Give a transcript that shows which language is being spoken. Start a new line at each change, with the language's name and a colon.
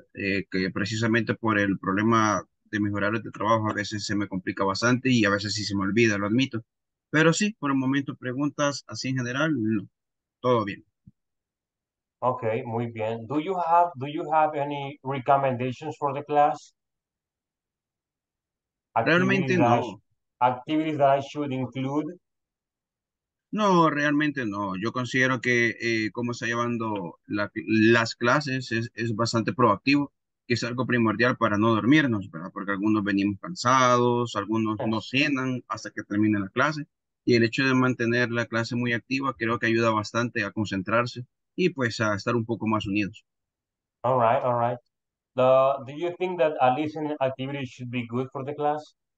Spanish: Que precisamente por el problema de mis horarios de trabajo, a veces se me complica bastante y a veces sí se me olvida, lo admito. Pero sí, por el momento, preguntas así en general, no. Todo bien. Okay, muy bien.
English: Do you have any recommendations for the class?
Spanish: Realmente no.
English: Activities that I should include?
Spanish: No, realmente no. Yo considero que cómo está llevando las clases es bastante proactivo, que es algo primordial para no dormirnos, ¿verdad? Porque algunos venimos cansados, algunos no cenan hasta que termine la clase. Y el hecho de mantener la clase muy activa creo que ayuda bastante a concentrarse y pues a estar un poco más unidos.
English: All right, all right. Do you think that a listening activity should be good for the class?